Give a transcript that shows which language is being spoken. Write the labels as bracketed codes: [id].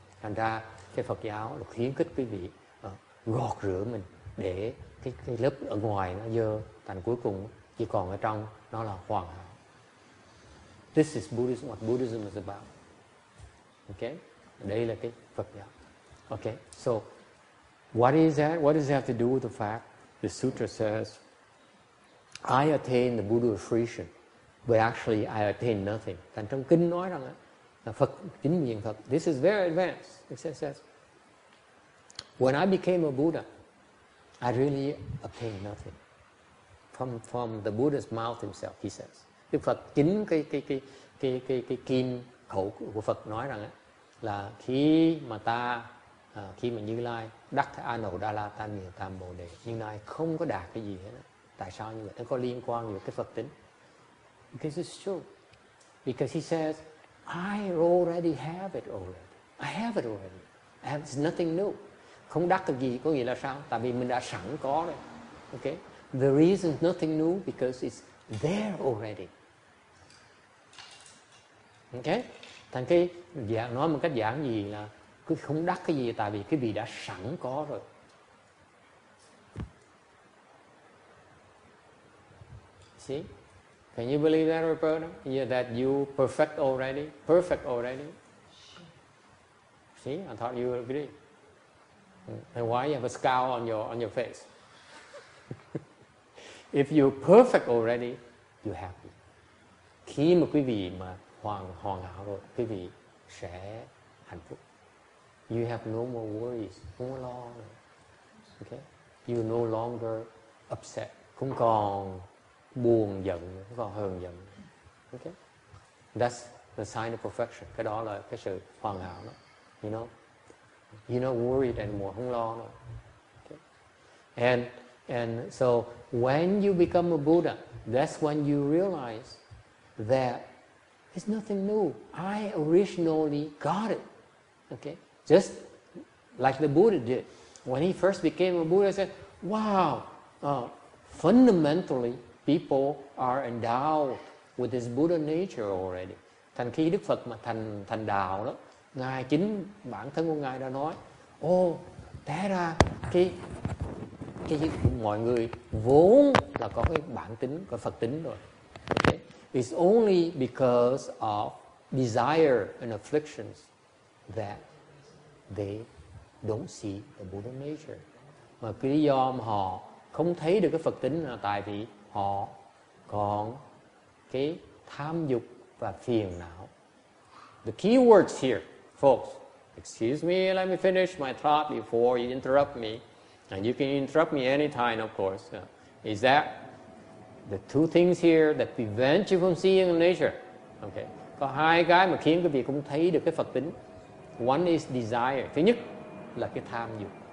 [vi] Thành ra cái Phật giáo là khuyến khích quý vị gọt rửa mình để cái lớp ở ngoài nó dơ, thành cuối cùng chỉ còn ở trong nó là hoàn hảo. [en] This is Buddhism, what Buddhism is about. Okay, [vi] đây là cái Phật giáo. [en] Okay, so what is that? What does it have to do with the fact the sutra says, I attain the Buddha of fruition, but actually I attain nothing. [vi] Thành trong kinh nói rằng là Phật chính miệng Phật, [en] this is very advanced. It says, when I became a Buddha, I really obtained nothing. From the Buddha's mouth himself, he says. [vi] Đức Phật chính cái kim khẩu của Phật nói rằng là khi mà Như Lai đắc thế an ổn đa la tam miền tam bồ đề, Như Lai không có đạt cái gì hết. Tại sao như vậy? Nó có liên quan với cái Phật tính. [en] Because it's true. Because he says, I already have it already. I have it already. It's nothing new. [vi] Không đắc được gì có nghĩa là sao? Tại vì mình đã sẵn có rồi. Okay? [en] The reason is nothing new because it's there already. Okay? [vi] Thành cái nói một cách giản gì là cứ không đắc cái gì tại vì cái vị đã sẵn có rồi. [en] See? Can you believe that, Roberta? Yeah, that you perfect already? Perfect already? See? I thought you would agree. And why you have a scowl on your face? If you're perfect already, you're happy. [vi] Khi mà quý vị mà hoàn hảo rồi, quý vị sẽ hạnh phúc. [en] You have no more worries, no more lo. Okay? You're no longer upset. [vi] Không còn buồn giận, không còn hờn giận. Okay? [en] That's the sign of perfection. [vi] Cái đó là cái sự hoàn hảo đó. [en] You know? You're not worried anymore, [vi] không lo nữa. [en] Okay? And so when you become a Buddha, that's when you realize that it's nothing new. I originally got it. Okay? Just like the Buddha did. When he first became a Buddha, he said, wow, fundamentally, people are endowed with this Buddha nature already. [vi] Thành khi Đức Phật mà thành đạo đó, Ngài chính bản thân của Ngài đã nói, té ra cái mọi người vốn là có cái bản tính, có Phật tính rồi. [en] Okay? It's only because of desire and afflictions that they don't see the Buddha nature. [vi] Mà cái lý do mà họ không thấy được cái Phật tính là tại vì họ còn cái tham dục và phiền não. [en] The key words here, folks. Excuse me, let me finish my thought before you interrupt me. And you can interrupt me anytime, of course. Is that the two things here that prevent you from seeing nature? Okay. [vi] Có hai cái mà khiến quý vị không thấy được cái Phật tính. [en] One is desire. [vi] Thứ nhất là cái tham dục.